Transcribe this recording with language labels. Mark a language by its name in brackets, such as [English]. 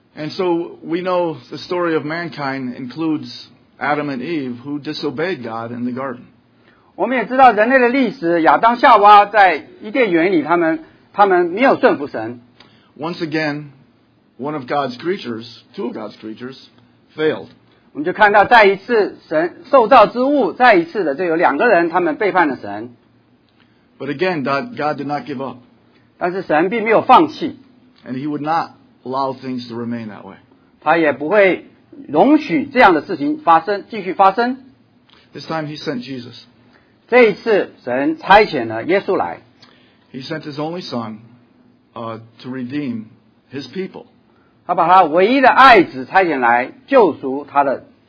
[English] so we know the story of mankind includes Adam and Eve who disobeyed God in the garden. [Chinese] 我们也知道人类的历史，亚当夏娃在伊甸园里，他们没有顺服神。 [English] Once again, one of God's creatures, two of God's creatures, failed. [Chinese] 我们就看到再一次神受造之物，再一次的就有两个人他们背叛了神。 [English] But again, God did not give up. [Chinese] 但是神并没有放弃。 [English] And he would not allow things to remain that way. [Chinese] 他也不会容许这样的事情发生，继续发生。 [English] This time he sent Jesus. [Chinese] 这一次神差遣了耶稣来。 [English] He sent his only son to redeem his people. [Chinese] 他把他唯一的爱子差遣来救赎他的。